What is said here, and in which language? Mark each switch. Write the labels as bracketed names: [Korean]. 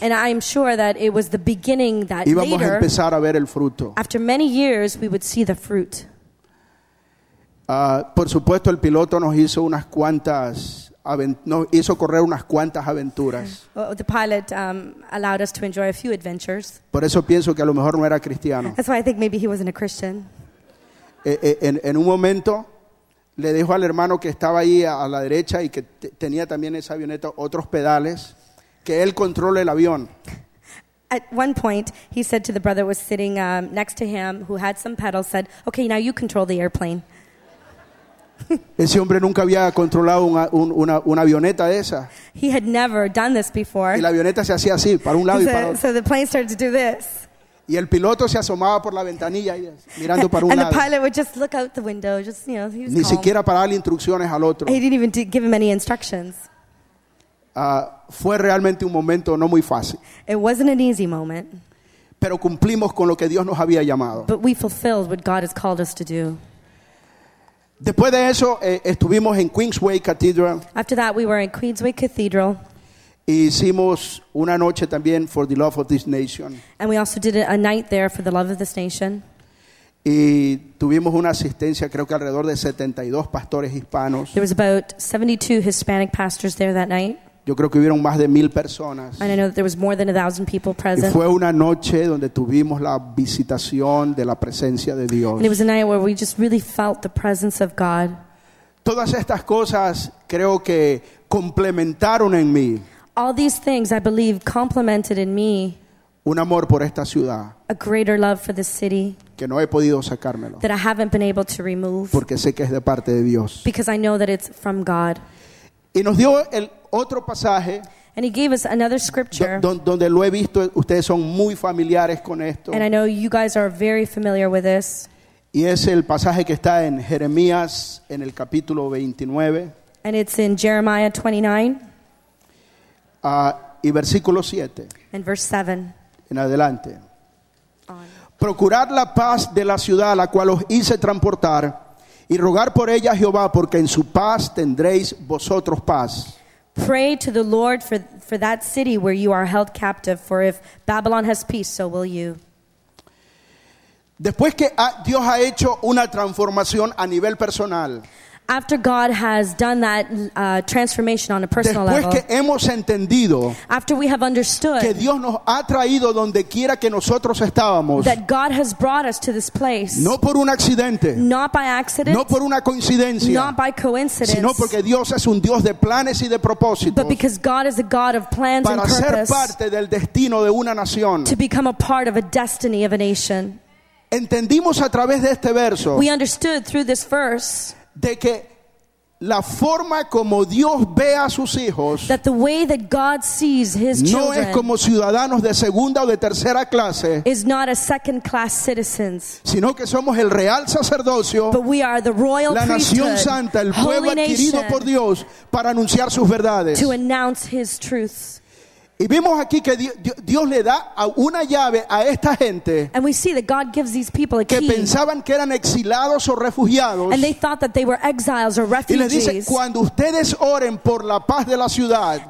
[English] And I am sure that it was the beginning that later. [Spanish] Íbamos a empezar a ver el fruto. [English] After many years, we would see the fruit. [Spanish] Por supuesto, el piloto nos hizo unas cuantas. Hizo correr unas cuantas aventuras. [English] Well, the pilot allowed us to enjoy a few adventures. [Spanish] Por eso pienso que a lo mejor no era cristiano. [English] That's why I think maybe he wasn't a Christian. [Spanish] En un momento le dijo al hermano que estaba ahí a la derecha y que tenía también esa avioneta otros pedales, que él controle el avión. [English] At one point, he said to the brother who was sitting next to him, who had some pedals, said, "Okay, now you control the airplane." [Spanish] Ese hombre nunca había controlado una avioneta de esa. [English] He had never done this before. [Spanish] Y la avioneta se hacía así, para un lado y para otro. [English] So the plane started to do this. [Spanish] Y el piloto se asomaba por la ventanilla y mirando para un [English] and [Spanish] lado. [English] And the pilot would just look out the window, just, you know, he was [Spanish] ni Ni siquiera para darle instrucciones al otro. [English] He didn't even give him any instructions. [Spanish] Fue realmente un momento no muy fácil. [English] It wasn't an easy moment. [Spanish] Pero cumplimos con lo que Dios nos había llamado. [English] But we fulfilled what God has called us to do. [Spanish] Después de eso, estuvimos en Queensway Cathedral. [English] After that, we were in Queensway Cathedral. [Spanish] E hicimos una noche también [English] for the love of this nation. And we also did a night there for the love of this nation. [Spanish] Y tuvimos una asistencia, creo que alrededor de 72 pastores hispanos. [English] There was about 72 Hispanic pastors there that night. [Spanish] Yo creo que hubieron más de 1,000 personas. [English] And I know that there was more than 1,000 people present. [Spanish] Y fue una noche donde tuvimos la visitación de la presencia de Dios. [English] And it was a night where we just really felt the presence of God. [Spanish] Todas estas cosas creo que complementaron en mí. [English] All these things, I believe, complemented in me. [Spanish] Un amor por esta ciudad. [English] A greater love for the city. [Spanish] Que no he podido sacármelo. [English] That I haven't been able to remove. [Spanish] Porque sé que es de parte de Dios. [English] Because I know that it's from God. [Spanish] Y nos dio el otro pasaje. [English] And he gave us another scripture. [Spanish] Donde lo he visto, ustedes son muy familiares con esto. [English] And I know you guys are very familiar with this. [Spanish] Y es el pasaje que está en Jeremías en el capítulo 29. [English] And it's in Jeremiah 29. [Spanish] Y versículo 7. [English] And verse 7. [Spanish] En adelante. Procurad la paz de la ciudad a la cual os hice transportar y rogar por ella a Jehová, porque en su paz tendréis vosotros paz. [English] Pray to the Lord for that city where you are held captive, for if Babylon has peace, so will you. [Spanish] Después que Dios ha hecho una transformación a nivel personal. [English] After God has done that transformation on a personal [Spanish] después [English] level. [Spanish] Que hemos entendido. [English] After we have understood. [Spanish] Que Dios nos ha traído donde quiera que nosotros estábamos. [English] That God has brought us to this place. [Spanish] No por un accidente. [English] Not by accident. [Spanish] No por una coincidencia. [English] Not by coincidence. [Spanish] Sino porque Dios es un Dios de planes y de propósitos. [English] But because God is a God of plans and purpose. [Spanish] Para ser parte del destino de una nación. [English] To become a part of a destiny of a nation. [Spanish] Entendimos a través de este verso. [English] We understood through this verse. [Spanish] De que la forma como Dios ve a sus hijos [English] that the way that God sees his [Spanish] no [English] children [Spanish] es como ciudadanos de segunda o de tercera clase, [English] is not a second class citizens, [Spanish] sino que somos el real sacerdocio, [English] but we are the royal [Spanish] la nación santa, el pueblo adquirido por Dios para anunciar sus verdades. [English] To announce his truths. [Spanish] Y vimos aquí que Dios le da una llave a esta gente. [English] And we see that God gives these people a key. [Spanish] Que pensaban que eran exilados o refugiados. [English] And they thought that they were exiles or refugees. [Spanish] Y les dice, cuando ustedes oren por la paz de la ciudad.